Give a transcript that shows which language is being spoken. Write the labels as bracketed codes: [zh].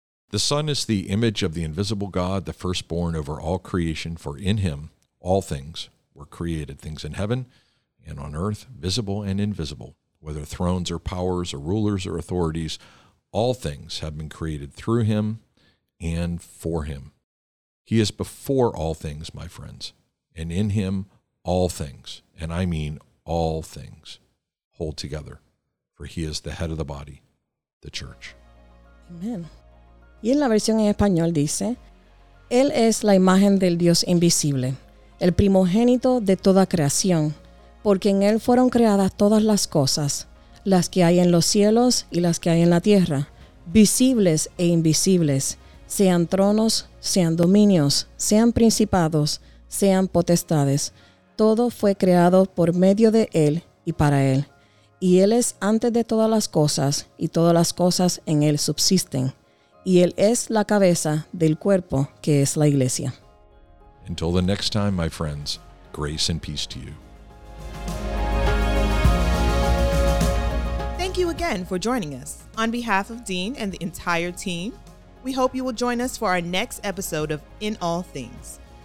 [en] The Son is the image of the invisible God, the firstborn over all creation, for in him all things were created, things in heaven and on earth, visible and invisible, whether thrones or powers or rulers or authorities, all things have been created through him and for him. He is before all things, my friends, and in him all things, and I mean all things, hold together, for he is the head of the body, the church. Amen. [es] Y en la versión en español dice, Él es la imagen del Dios invisible, el primogénito de toda creación. Porque en Él fueron creadas todas las cosas, las que hay en los cielos y las que hay en la tierra, visibles e invisibles, sean tronos, sean dominios, sean principados, sean potestades. Todo fue creado por medio de Él y para Él. Y Él es antes de todas las cosas, y todas las cosas en Él subsisten. Y Él es la cabeza del cuerpo, que es la iglesia. [en] Until the next time, my friends, grace and peace to you. Thank you again for joining us. On behalf of Dean and the entire team, we hope you will join us for our next episode of In All Things.